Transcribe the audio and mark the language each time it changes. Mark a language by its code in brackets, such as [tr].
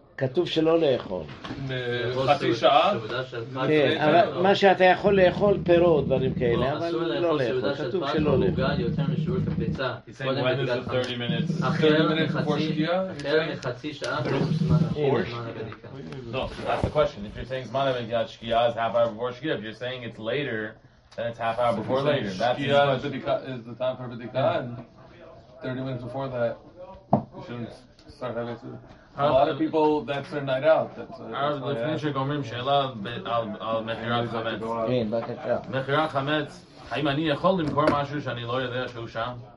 [he] כתוב שלא לאכול. חצי שעה? כן, אבל מה שאתה יכול לאכול פירות, דברים כאלה, אבל לא לאכול. כתוב שלא לאכול. אחרי חצי שעה, זה זמן הבדיקה. [en] No, that's the question. If you're saying it's later, then it's half hour before later. That's the question. Is the time for בדיקה? 30 minutes before that, you shouldn't start having to... A lot of people, that's their night out. [he] לפני שגומרים שאלה על מחירת חמץ. כן, בבקשה. מחירת חמץ, האם אני יכול למכור משהו שאני לא יודע שהוא שם?